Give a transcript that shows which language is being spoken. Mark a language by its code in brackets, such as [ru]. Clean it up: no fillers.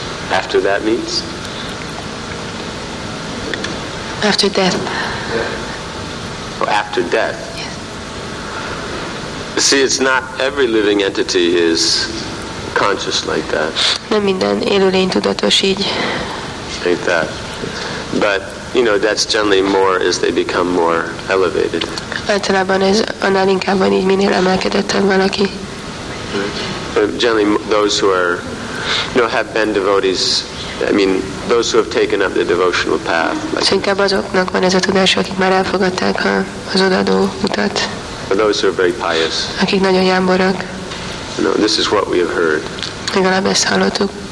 [en] After that means? After death. After death. Yes. See, it's not every living entity is conscious like that. [hu] Nem minden élőlény tudatos így. [en] Like that. But, you know, that's generally more as they become more elevated. [hu] Általában ez annál inkább van így, minél emelkedettebb valaki. [en] But generally those who are, you know, have been devotees, I mean, those who have taken up the devotional path. [hu] Inkább azoknak van ez a tudás, akik már elfogadták az odaadó utat. [en] Those who are very pious. [hu] Akik nagyon jámborak. [en] No, this is what we have heard. [hu] Legalább ezt hallottuk.